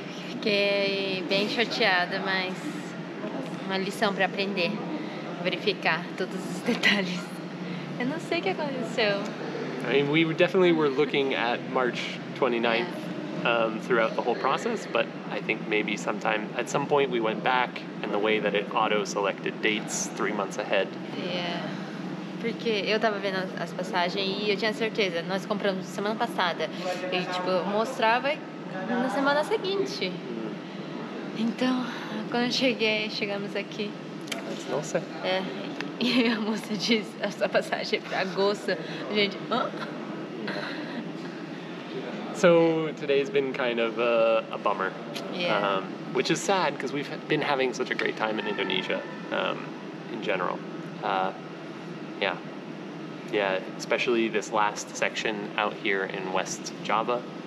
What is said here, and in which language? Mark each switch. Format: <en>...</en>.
<pt>Fiquei bem chateada, mas uma lição para aprender. Verificar todos os detalhes. Eu não sei o que aconteceu.</pt> <en>I mean, we definitely were looking at March 29th throughout the whole process, but I think maybe sometime, at some point we went back, and the way that it auto-selected dates 3 months ahead.</en> <pt>Yeah, porque eu tava vendo as passagens e eu tinha certeza, nós compramos semana passada, e tipo, mostrava na semana seguinte. Então, quando chegamos aqui... Não sei. É. E a moça diz, a sua passagem é para agosto. Gente, hã?</pt> <en>So, today's been kind of a bummer. Yeah. Which is sad, because we've been having such a great time in Indonesia, in general. Yeah. Yeah, especially this last section out here in West Java.</en>